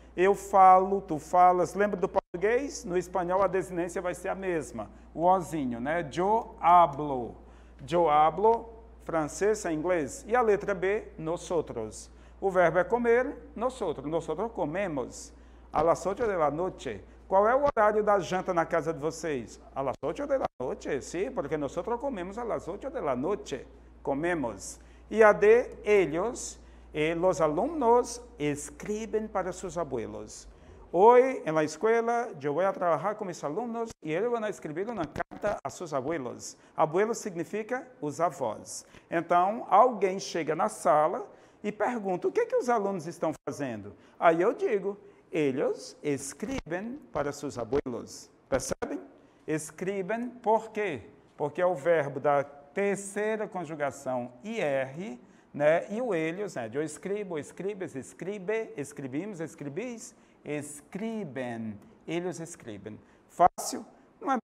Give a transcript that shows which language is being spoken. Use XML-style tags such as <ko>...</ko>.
<pt>eu falo, tu falas. Lembra do português? No espanhol a desinência vai ser a mesma. O ozinho, né?</pt> <es>Yo hablo. Yo hablo,</es> <pt>francês é inglês. E a letra B, nosotros. O verbo é comer, nosotros.</pt> <es>Nosotros comemos. A las ocho de la noche.</es> <pt>Qual é o horário da janta na casa de vocês?</pt> <es>A las ocho de la noche. Sim, sí, porque nosotros comemos a las ocho de la noche. Comemos.</es> <pt>E a D,</pt> <es>ellos. Los alumnos escriben para sus abuelos. Hoy en la escuela yo voy a trabajar con mis alumnos y ellos van a escribir una carta a sus abuelos.</es> <pt>Abuelos significa os avós. Então, alguém chega na sala e pergunta, o que que os alunos estão fazendo? Aí eu digo,</pt> <es>ellos escriben para sus abuelos.</es> <pt>Percebem? Escriben, por quê? Porque é o verbo da terceira conjugação, IR, né? E o eles, né? Eu</pt> <es>escribo, escribes, escribe, escribimos, escribis, escribem,</es> <pt>eles escribem. Fácil? Não é.</pt>